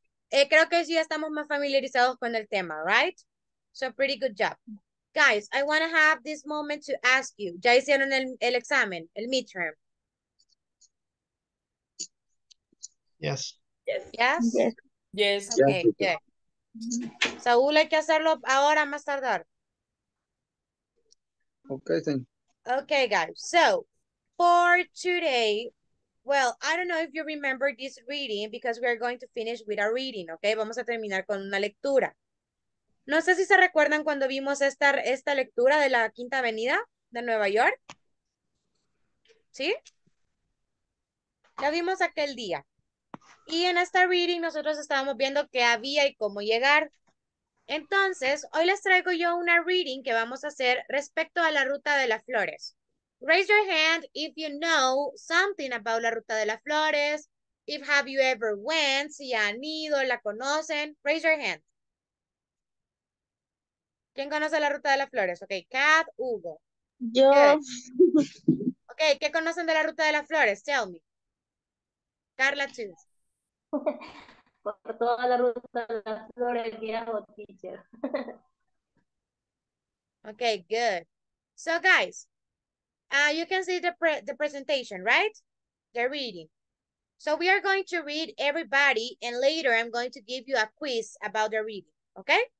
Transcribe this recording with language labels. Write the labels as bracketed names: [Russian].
[Spanish] Creo que sí estamos más familiarizados con el tema, right? [English] So, pretty good job. Guys, I want to have this moment to ask you. [Spanish] ¿Ya hicieron el examen, el midterm? [English] Yes. Yes? Yes. Yes. Okay, yeah. [Spanish] Saúl, hay que hacerlo ahora, más tardar. [English] Okay, then. Okay, guys. So, for today, well, I don't know if you remember this reading because we're going to finish with a reading, okay? [Spanish] Vamos a terminar con una lectura. No sé si se recuerdan cuando vimos esta lectura de la Quinta Avenida de Nueva York. ¿Sí? La vimos aquel día. Y en esta reading nosotros estábamos viendo qué había y cómo llegar. Entonces, hoy les traigo yo una reading que vamos a hacer respecto a la Ruta de las Flores. [English] Raise your hand if you know something about la Ruta de las Flores. If have you ever went, [Spanish] si han ido, la conocen. [English] Raise your hand. [Spanish] ¿Quién conoce la Ruta de las Flores? Ok, Kat, Hugo. Yo. Ok, ¿qué conocen de la Ruta de las Flores? [English] Tell me. Carla, too. [Spanish] Por toda la Ruta de las Flores, viejo teacher. [English] Ok, good. So, guys, you can see the presentation, right? The reading. So, we are going to read everybody, and later I'm going to give you a quiz about the reading, ok?